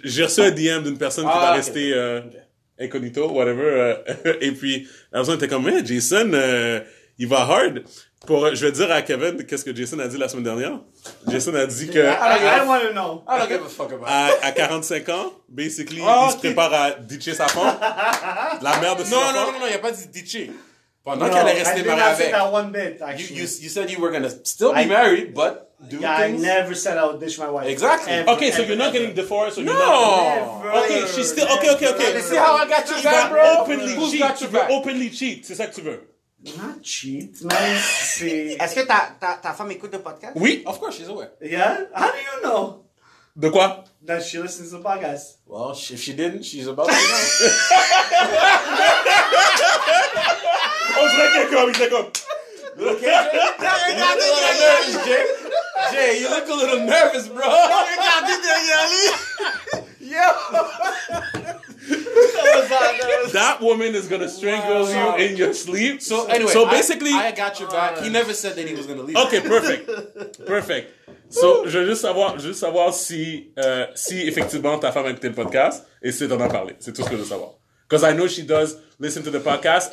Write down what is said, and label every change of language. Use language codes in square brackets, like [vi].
[fr] J'ai reçu un DM d'une personne qui va rester incognito, whatever. Et puis, la personne était comme, hey, Jason, il va hard. Pour, je vais dire à Kevin qu'est-ce que Jason a dit la semaine dernière. Jason a dit que... [en] I don't give a fuck about it. [fr] À 45 ans, basically, oh, il se prépare à ditcher sa femme. La mère de son enfant. Non, il n'a pas dit ditcher. Pendant qu'elle est restée mariée avec. [en] I think I said that one bit, actually. You said you were going to still be married, but... I never said I would ditch my wife. Exactly. Okay, so you're not getting divorced. No. Okay, she's still... You see how I got your back, bro? Openly who's cheat. Got your back? Openly cheat. [fr] C'est ça que tu veux. [en] Not cheat, man. [fr] Est-ce que ta femme écoute le podcast? Oui. [en] Of course, she's aware. Yeah? How do you know? [fr] De quoi? [en] That she listens to the podcast. Well, if she didn't, she's about to know. [fr] On dirait qu'elle comme, il est comme... [en] Okay, you look a little nervous, Jay, you look a little nervous, bro. That woman is going to strangle you in your sleep. So anyway, so basically, I got your back. He never said that he was going to leave. Okay, perfect. Perfect. [fr] So, je veux juste savoir si effectivement ta femme a écouté le podcast et si t'en as parlé. C'est tout ce que je veux savoir. [en] Because I know she does listen to the podcast.